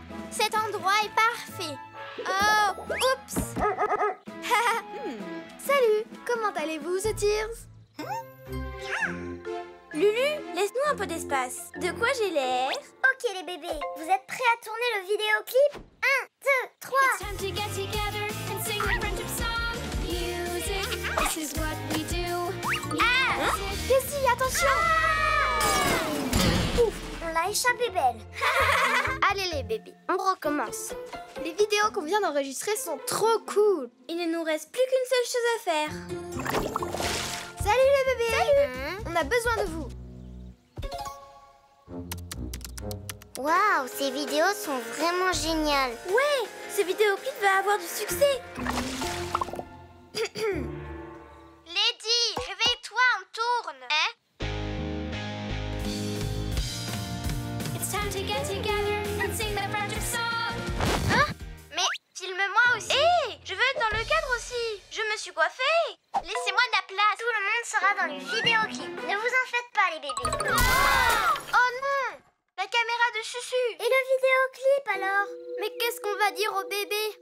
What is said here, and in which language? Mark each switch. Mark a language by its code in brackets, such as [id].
[fr] Cet endroit est parfait. Oh, oups. Salut, comment allez-vous, The Tears? Lulu, laisse-nous un peu d'espace. De quoi j'ai l'air? Ok les bébés, vous êtes prêts à tourner le vidéoclip? 1, 2, 3. [en] It's time to get together and sing a friendship song. Music, this is what we do. Ah! [fr] Jessie, attention! Ah! Ouf, on l'a échappé belle. Allez les bébés, on recommence. Les vidéos qu'on vient d'enregistrer sont trop cool. Il ne nous reste plus qu'une seule chose à faire. Salut les bébés. Salut. On a besoin de vous. Waouh, ces vidéos sont vraiment géniales. Ouais, ce vidéoclip va avoir du succès. Lady, réveille-toi, on tourne. Hein? [en] It's time to get together and sing the friendship song. [fr] Hein? Mais filme-moi aussi. Hé, je veux être dans le cadre aussi. Je me suis coiffée. Laissez-moi de la place. Tout le monde sera dans le vidéoclip. Ne vous en faites pas, les bébés. Oh, oh non! La caméra de Chuchu. Et le vidéoclip, alors? Mais qu'est-ce qu'on va dire aux bébés?